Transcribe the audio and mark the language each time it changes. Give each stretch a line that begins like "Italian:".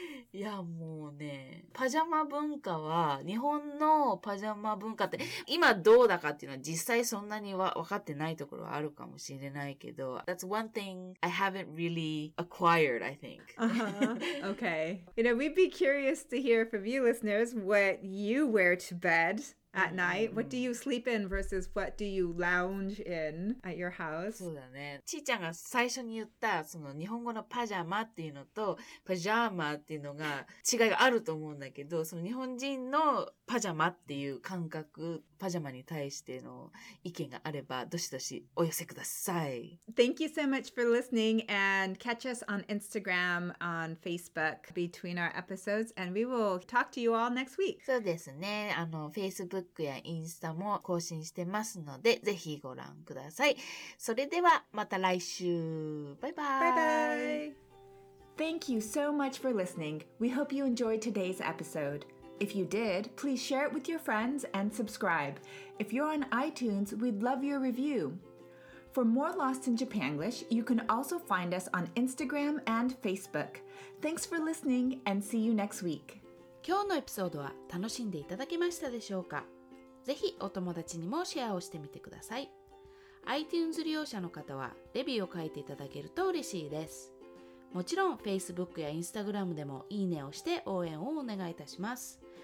Japanese: いやもうね、パジャマ文化は、日本のパジャマ文化って、今どうだかっていうのは実際そんなには分かってないところはあるかもしれないけど、
English: That's one thing I haven't really acquired, I think. Uh-huh. Okay. You know, we'd be curious to hear from you listeners what you wear to bed at night. Mm-hmm. What do you sleep in versus what do you lounge in at your house?
Japanese: そうだね。ちーちゃんが最初に言ったその日本語のパジャマっていうのとパジャーマっていうのが違いがあると思うんだけど、その日本人のパジャマっていう感覚、パジャマに対しての意見があればどしどしお寄せください。
English: Thank you so much for listening and catch us on Instagram, on Facebook between our episodes and we will talk to you all next week.
Japanese: そうですね。 Facebook やインスタも更新してますのでぜひご覧ください。それではまた来週。バイバイ。バイバイ。
English: Thank you so much for listening. We hope you enjoyed today's episode. If you did, please share it with your friends and subscribe. If you're on iTunes, we'd love your review. For more Lost in Japanglish, you can also find us on Instagram and Facebook. Thanks for listening and see you next week.
Japanese: 今日のエピソードは楽しんでいただけましたでしょうか?ぜひお友達にもシェアをしてみてください。 iTunes 利用者の方はレビューを書いていただけると嬉しいです。もちろん Facebook や Instagram でもいいねをして応援をお願いいたします。